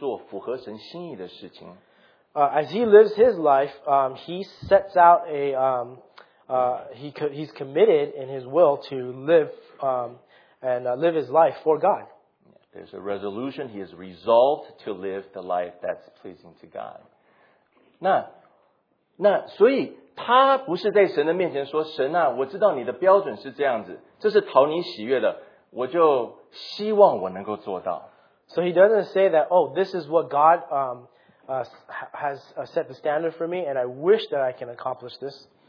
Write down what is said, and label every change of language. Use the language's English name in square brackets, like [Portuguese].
[Chinese] 他在神的面前过生活的时候，他是立定心智、定意的去做符合神心意的事情。 [English] As he lives his life, he sets out a he's committed in his will to live live his life for God. There's a resolution. He is resolved to live the life that's pleasing to God. [Chinese] 那所以他不是在神的面前说，神啊，我知道你的标准是这样子，这是讨你喜悦的，我就希望我能够做到。 [English] So he doesn't say that. Oh, this is what God has set the standard for me, and I wish that I can accomplish this.